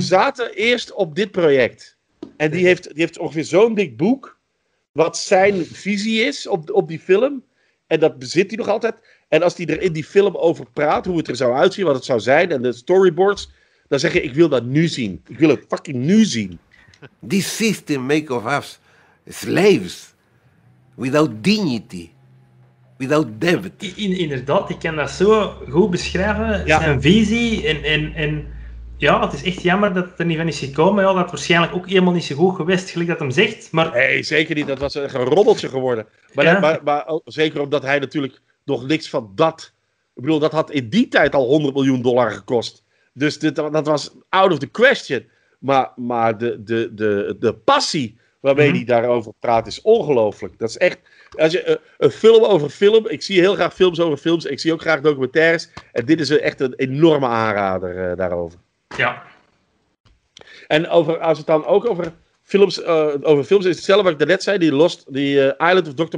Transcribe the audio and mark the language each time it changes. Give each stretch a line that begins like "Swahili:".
Dutch: zaten eerst op dit project. En die heeft ongeveer zo'n dik boek, wat zijn visie is op die film. En dat bezit hij nog altijd. En als hij er in die film over praat, hoe het er zou uitzien, wat het zou zijn, en de storyboards, dan zeg je, ik wil dat nu zien. Ik wil het fucking nu zien.
English: This system make of us slaves without dignity. Without David.
Dutch: Inderdaad, ik kan dat zo goed beschrijven. Ja. Zijn visie. En ja, het is echt jammer dat het er niet van is gekomen. Ja, dat waarschijnlijk ook helemaal niet zo goed geweest, gelijk dat hem zegt. Maar... Nee, zeker niet. Dat was echt een robbeltje geworden. Maar, ja. maar zeker omdat hij natuurlijk nog niks van dat... Ik bedoel, dat had in die tijd al $100 miljoen gekost. Dus dat was
English: out of the question.
Dutch: Maar de passie waarmee hij daarover praat is ongelooflijk. Dat is echt... Als je een film over film, ik zie heel graag films over films, ik zie ook graag documentaires, en dit is echt een enorme aanrader daarover. Ja. En als het dan ook over films, is hetzelfde wat ik daarnet zei, die Island of Dr.